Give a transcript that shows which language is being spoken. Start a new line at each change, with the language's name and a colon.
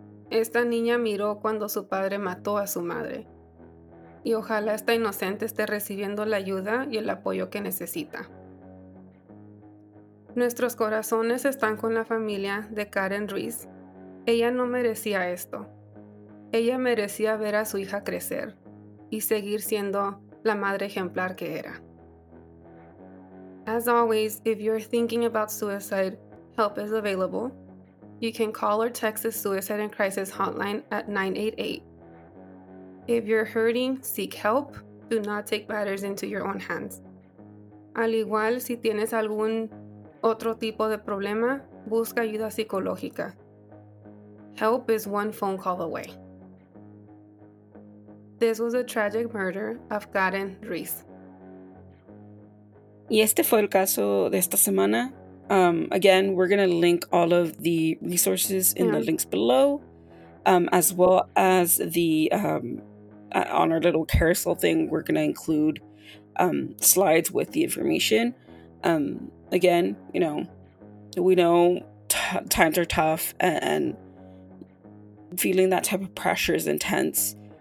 Spanish: Esta niña miró cuando su padre mató a su madre. Y ojalá esta inocente esté recibiendo la ayuda y el apoyo que necesita. Nuestros corazones están con la familia de Karen Ruiz. Ella no merecía esto. Ella merecía ver a su hija crecer y seguir siendo la madre ejemplar que era.
English: As always, if you're thinking about suicide, help is available. You can call or text the Suicide and Crisis Hotline at 988. If you're hurting, seek help. Do not take matters into your own hands.
Spanish: Al igual, si tienes algún otro tipo de problema, busca ayuda psicológica.
English: Help is one phone call away. This was a tragic murder of Karen Ruiz.
Spanish: Y este fue el caso de esta semana.
English: Again, we're going to link all of the resources in the links below, as well as the on our little carousel thing, we're going to include slides with the information. Again, you know, we know times are tough and feeling that type of pressure is intense.